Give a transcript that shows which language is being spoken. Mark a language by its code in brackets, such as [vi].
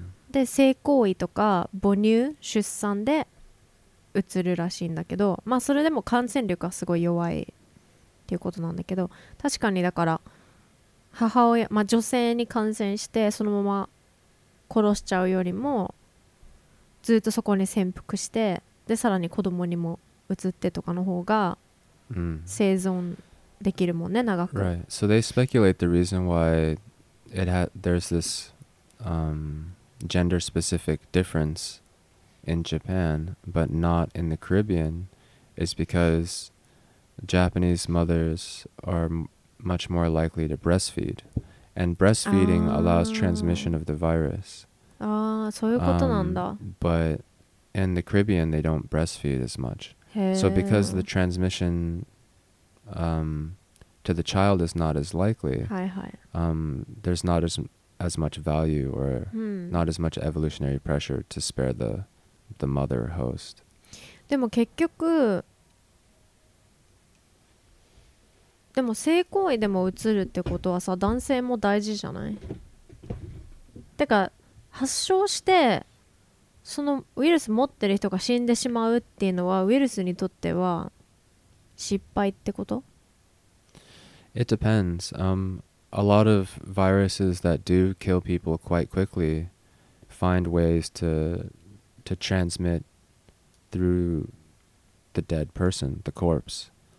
[ja] で、性行為とか母乳、出産でうつるらしいんだけど、まあそれでも感染力はすごい弱いっていうことなんだけど、確かにだから母親、まあ、女性に感染してそのまま殺しちゃうよりもずっとそこに潜伏して、でさらに子供にもうつってとかの方が生存できるもんね、長く。 [en] Right. So they speculate the reason why it there's this gender specific difference in Japan but not in the Caribbean is because Japanese mothers are much more likely to breastfeed, and breastfeeding allows transmission of the virus. [ja] Ah, そういうことなんだ。 [en] But in the Caribbean, they don't breastfeed as much. へー。 So because the transmission to the child is not as likely, there's not as much value or not as much evolutionary pressure to spare the mother host. [ja] でも結局でも性行為でもうつるってことはさ、男性も大事じゃない？てか発症してそのウイルス持ってる人が死んでしまうっていうのはウイルスにとっては失敗ってこと？ [en] It depends. A lot of viruses that do kill people quite quickly find ways to transmit through the dead person, the corpse.